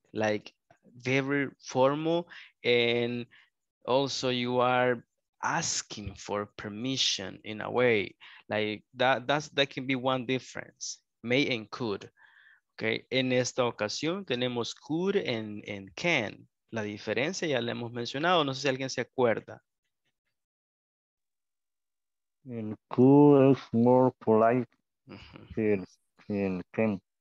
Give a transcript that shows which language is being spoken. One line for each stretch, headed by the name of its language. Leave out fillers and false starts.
English: Like, very formal, and also you are asking for permission in a way like that. That can be one difference, may and could.
Spanish: Okay, en esta ocasión tenemos could and can. La diferencia ya la hemos mencionado, no sé si alguien se acuerda.
English: And could is more polite, mm-hmm, than can.